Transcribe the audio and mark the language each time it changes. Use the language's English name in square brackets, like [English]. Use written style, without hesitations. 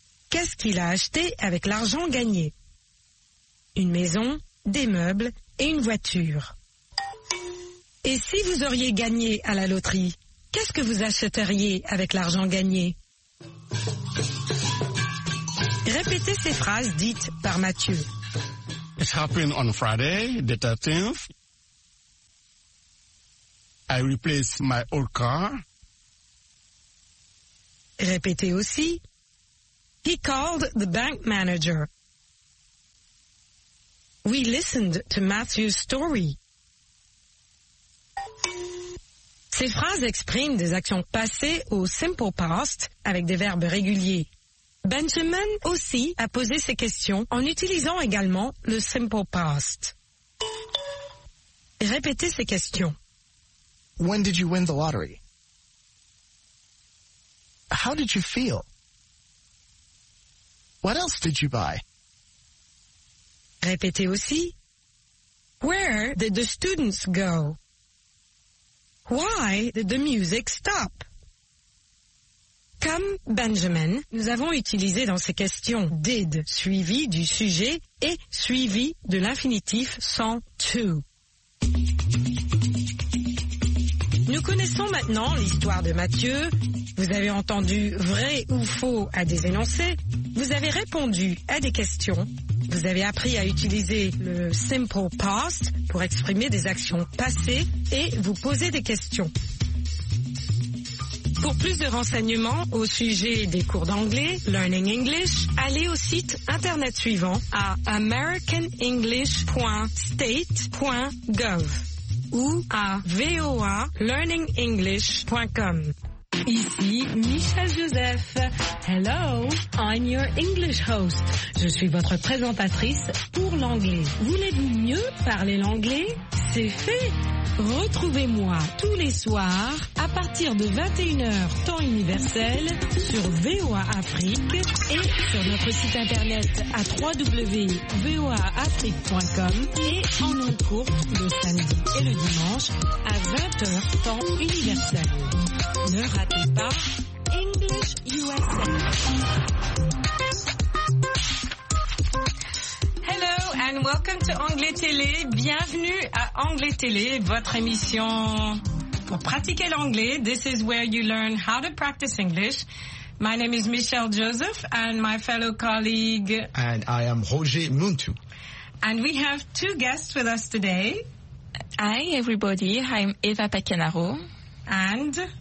[French] Qu'est-ce qu'il a acheté avec l'argent gagné? Une maison, des meubles et une voiture. Et si vous auriez gagné à la loterie, qu'est-ce que vous achèteriez avec l'argent gagné? Répétez ces phrases dites par Mathieu. [English] It happened on Friday, the 13th. I replaced my old car. [French] Répétez aussi. [English] He called the bank manager. We listened to Matthew's story. [French] Ces phrases expriment des actions passées au simple past avec des verbes réguliers. Benjamin aussi a posé ses questions en utilisant également le simple past. Répétez ces questions. [English] When did you win the lottery? How did you feel? What else did you buy? [French] Répétez aussi. [English] Where did the students go? Why did the music stop? [French] Comme Benjamin, nous avons utilisé dans ces questions did suivi du sujet et suivi de l'infinitif sans to. Nous connaissons maintenant l'histoire de Mathieu. Vous avez entendu vrai ou faux à des énoncés. Vous avez répondu à des questions. Vous avez appris à utiliser le simple past pour exprimer des actions passées et vous poser des questions. Pour plus de renseignements au sujet des cours d'anglais, Learning English, allez au site internet suivant à americanenglish.state.gov ou à voalearningenglish.com. Ici Michel Joseph. [English] Hello, I'm your English host. [French] Je suis votre présentatrice pour l'anglais. Voulez-vous mieux parler l'anglais? C'est fait! Retrouvez-moi tous les soirs à partir de 21h temps universel sur VOA Afrique et sur notre site internet à www.voaafrique.com et en longue courte le samedi et le dimanche à 20h temps universel. Ne ratez pas English USA. [English] And welcome to Anglais Télé. [French] Bienvenue à Anglais Télé, votre émission pour pratiquer l'anglais. [English] This is where you learn how to practice English. My name is Michelle Joseph and my fellow colleague. And I am Roger Muntu. And we have two guests with us today. Hi everybody, I'm Eva Pacchianaro. And?